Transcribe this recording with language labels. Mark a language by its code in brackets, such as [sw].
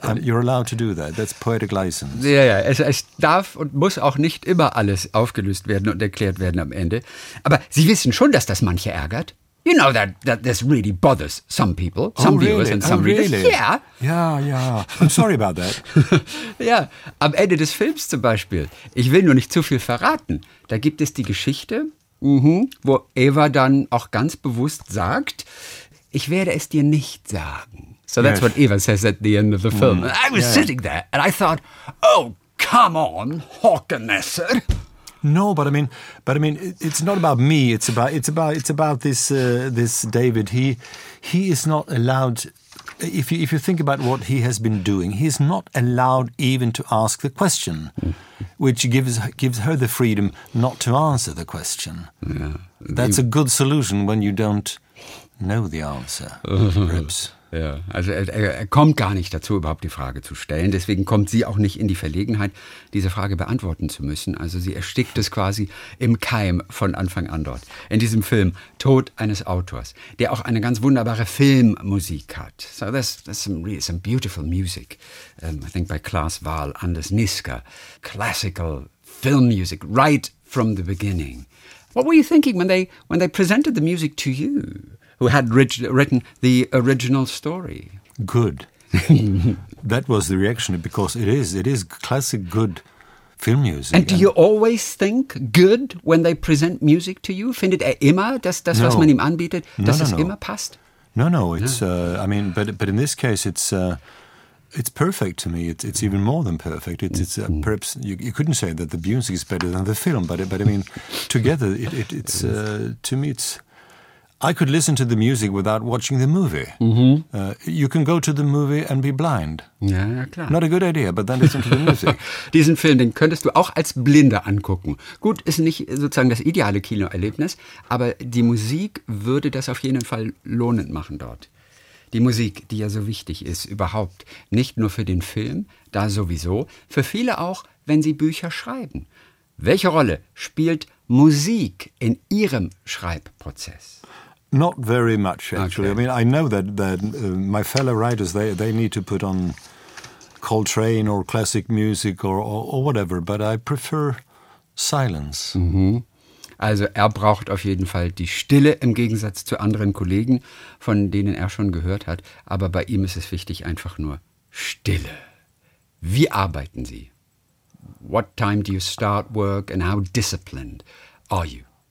[en] And you're allowed to do that. That's poetic license. [de] Ja, ja. Es darf und muss auch nicht immer alles aufgelöst werden und erklärt werden am Ende. Aber Sie wissen schon, dass das manche ärgert. [en] You know that this really bothers some people, viewers and some readers. Really? Yeah. Yeah, yeah. I'm sorry about that. [de] Ja, am Ende des Films zum Beispiel, ich will nur nicht zu viel verraten, da gibt es die Geschichte, wo Eva dann auch ganz bewusst sagt, ich werde es dir nicht sagen. [en] So that's what Eva says at the end of the film. Mm. I was sitting there and I thought, oh, come on, Håkan Nesser. No, but I mean, it's not about me. It's about this David. He is not allowed. If you think about what he has been doing, he is not allowed even to ask the question, which gives her the freedom not to answer the question. Yeah. That's a good solution when you don't know the answer, perhaps. [de] Ja, also er kommt gar nicht dazu, überhaupt die Frage zu stellen. Deswegen kommt sie auch nicht in die Verlegenheit, diese Frage beantworten zu müssen. Also sie erstickt es quasi im Keim von Anfang an dort. In diesem Film Tod eines Autors, der auch eine ganz wunderbare Filmmusik hat. [en] So that's some beautiful music. I think by Klaas Wahl, Anders Niska. Classical film music right from the beginning. What were you thinking when they presented the music to you? Who had written the original story. Good. That was the reaction, because it is classic good film music. And do you always think good when they present music to you? [de] Findet immer das, was man ihm anbietet, dass es immer passt? [en] No, but in this case, it's perfect to me. It's even more than perfect. It's perhaps you couldn't say that the music is better than the film, but I mean, together, it's to me, it's... I could listen to the music without watching the movie. Mm-hmm. You can go to the movie and be blind. [de] Ja, klar. [en] Not a good idea, but then listen to the music. [de] Diesen Film, den könntest du auch als Blinder angucken. Gut, ist nicht sozusagen das ideale Kinoerlebnis, aber die Musik würde das auf jeden Fall lohnend machen dort. Die Musik, die ja so wichtig ist, überhaupt nicht nur für den Film, da sowieso, für viele auch, wenn sie Bücher schreiben. Welche Rolle spielt Musik in Ihrem Schreibprozess? [en] Not very much, actually. Okay. I mean, I know that my fellow writers, they need to put on Coltrane or classic music or whatever, but I prefer silence. Mm-hmm. [de] Also er braucht auf jeden Fall die Stille im Gegensatz zu anderen Kollegen, von denen er schon gehört hat. Aber bei ihm ist es wichtig, einfach nur Stille. Wie arbeiten Sie? [en] What time do you start work and how disciplined are you?